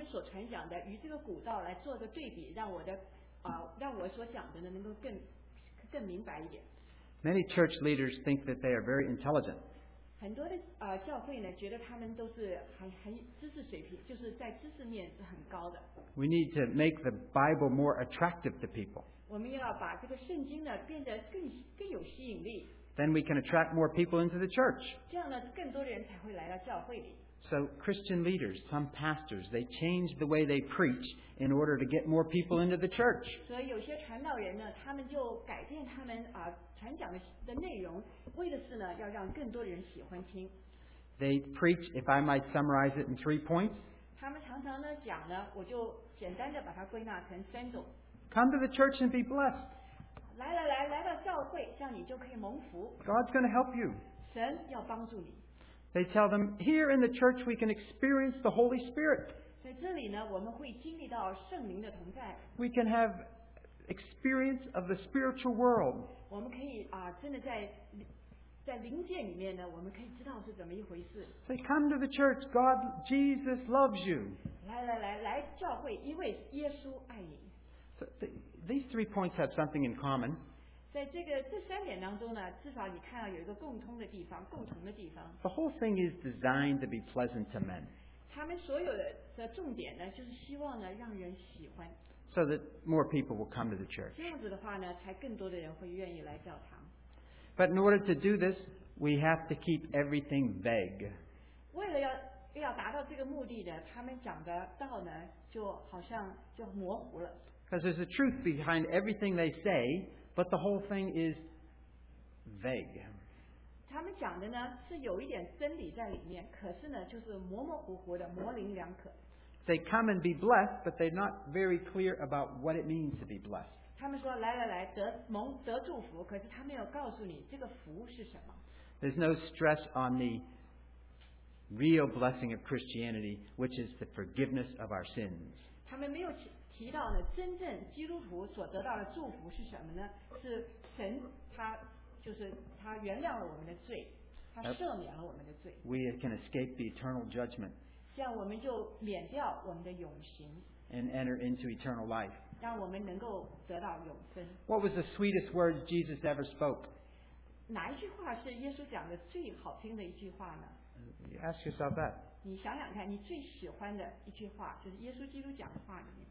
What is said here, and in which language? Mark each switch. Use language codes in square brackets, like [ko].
[zh] 那我再把用这个现代的教会他们所传讲的与这个古道来做个对比, 让我的, 让我所讲的能够更明白一点。 [en] Many church leaders think that they are very intelligent. [zh] 很多的, 教会呢, 觉得他们都是很知识水平, 就是在知识面是很高的。 [en] We need to make the Bible more attractive to people. [zh] 我们要把这个圣经呢, 变得更有吸引力。 [en] Then we can attract more people into the church. [zh] 这样呢, 更多的人才会来到教会里。 [en] So Christian leaders, some pastors, they change the way they preach in order to get more people into the church. [zh] 所以有些传道人呢, 他们就改变他们, 传讲的内容, 为的是呢, 要让更多人喜欢听。 [en] They preach, if I might summarize it in 3 points. [zh] 他们常常呢, 讲呢, 我就简单地把它归纳成三种。 [en] Come to the church and be blessed. [zh] 来来来, 来到教会, 这样你就可以蒙福。 [en] God's going to help you. [zh] 神要帮助你。 [en] They tell them, here in the church we can experience the Holy Spirit. [zh] 在这里呢, 我们会经历到圣灵的同在。 [en] We can have experience of the spiritual world. [zh] 我们可以, 真的在灵界里面呢, 我们可以知道是怎么一回事。 [en] They come to the church, God, Jesus loves you. [zh] 来来来, 来教会, 因为耶稣爱你。 [en] So these 3 points have something in common. [zh] 在这个, 这三点当中呢, 至少你看到有一个共通的地方, 共同的地方。 [en] The whole thing is designed to be pleasant to men. [zh] 他们所有的重点呢, 就是希望呢, 让人喜欢。 [en] So that more people will come to the church. [zh] 这样子的话呢, 才更多的人会愿意来教堂。 [en] But in order to do this, we have to keep everything vague. [zh] 为了要达到这个目的呢, 他们讲的道呢, 就好像就模糊了。 [en] Because there's a truth behind everything they say, but the whole thing is vague. [zh] 他们讲的呢, 是有一点真理在里面, 可是呢, 就是模模糊糊的, 模棱两可。 [en] They come and be blessed, but they're not very clear about what it means to be blessed. [zh] 他们说, 来来来, 得祝福, 可是他没有告诉你, 这个福是什么。 [en] There's no stress on the real blessing of Christianity, which is the forgiveness of our sins. [zh] 提到呢, 真正基督徒所得到的祝福是什么呢? 是神他, 就是他原谅了我们的罪, 他赦免了我们的罪。 [en] We can escape the eternal judgment. [zh] 这样我们就免掉我们的永刑。 [en] And enter into eternal life. [zh] 让我们能够得到永生。 [en] What was the sweetest word Jesus ever spoke? [zh] 哪一句话是耶稣讲的最好听的一句话呢? [en] You ask yourself that. [zh] 你想想看, 你最喜欢的一句话, 就是耶稣基督讲的话里面。